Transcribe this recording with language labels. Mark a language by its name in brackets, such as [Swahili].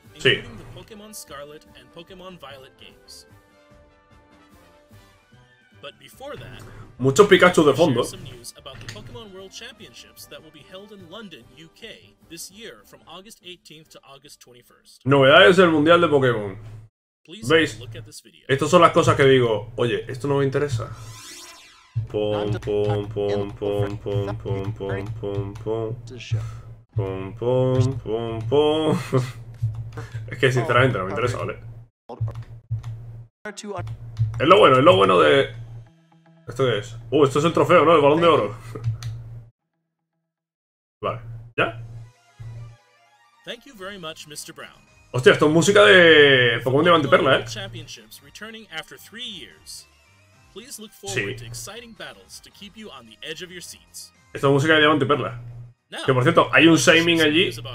[English] including the Pokémon Scarlet and Pokémon Violet games. But before that, [Spanish] mucho Pikachu de fondo. [English] Some news about the Pokémon World Championships that will be held in London, UK, this year, from August 18th to August 21st. [Spanish] Novedades del Mundial de Pokémon. ¿Veis? Estas son las cosas que digo. Oye, esto no me interesa. Pom, pom, pom, pom, pom, pom, pom, pom, pom, pom, pom, pom, pom. Es que sinceramente no me interesa, ¿vale? Es lo bueno de... ¿Esto qué es? Esto es el trofeo, ¿no? El balón de oro. Vale, ¿ya? [English] Thank you very much, Mr. Brown. [Spanish] Hostia, esto es música de Pokémon Diamante Perla, ¿eh? [English] Championships returning after 3 years. Please look forward to exciting battles to keep you on the edge of your seats. [Spanish] Esto es música de Diamante Perla. Que por cierto, hay un Shining allí.